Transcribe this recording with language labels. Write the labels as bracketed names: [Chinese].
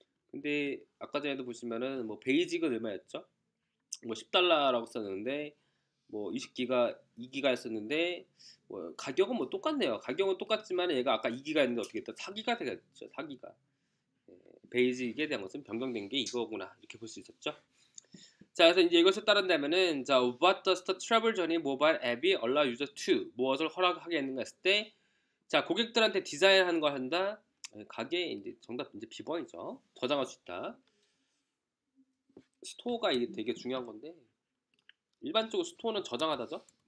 [Korean] 근데 아까 전에도 보시면은 뭐 베이직은 얼마였죠? 뭐 10달러라고 썼는데 뭐 20기가 2기가였었는데 뭐 가격은 뭐 똑같네요. 가격은 똑같지만 얘가 아까 2기가였는데 어떻게 됐다? 4기가 되겠죠. 4기가 베이직에 대한 것은 변경된 게 이거구나 이렇게 볼 수 있었죠. 자, 그래서 이제 이것에 따른다면은 자, [English] What does the travel journey mobile app allow user to? [Korean] 무엇을 허락하게 했는가 했을 때 자, 고객들한테 디자인하는 걸 한다? 가게 이제 정답 이제 비번이죠. 저장할 수 있다. 스토어가 이게 되게 중요한 건데 일반적으로 스토어는 저장하다죠?